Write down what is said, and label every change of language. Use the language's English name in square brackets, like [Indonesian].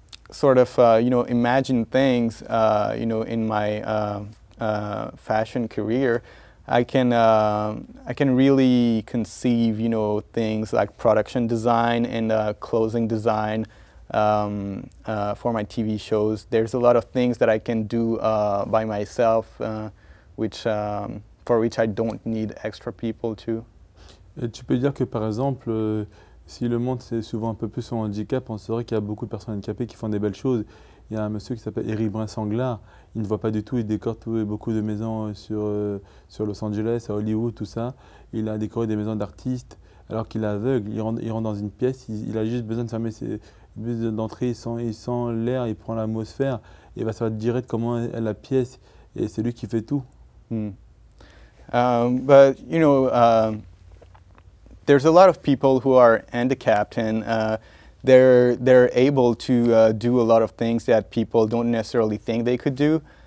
[English] sort of, you know, imagine things, you know, in my fashion career, I can really conceive, you know, things like production design and clothing design for my TV shows. There's a lot of things that I can do by myself, which for which I don't need extra people to. [French] Et tu peux dire que par exemple, si le monde c'est souvent un peu plus son handicap, on saurait qu'il y a beaucoup de personnes handicapées qui font des belles choses. Il y a un monsieur qui s'appelle Eric Brin-Sanglard. Il ne voit pas du tout, il décore tout et beaucoup de maisons sur Los Angeles, à Hollywood, tout ça. Il a décoré des maisons d'artistes alors qu'il est aveugle. Il rentre dans une pièce, il a juste besoin de fermer ses buts d'entrée, il sent l'air, il prend l'atmosphère et il va savoir direct comment est la pièce et c'est lui qui fait tout. [English] But, you know, there's a lot of people who are handicapped and they're able to do a lot of things that people don't necessarily think they could do.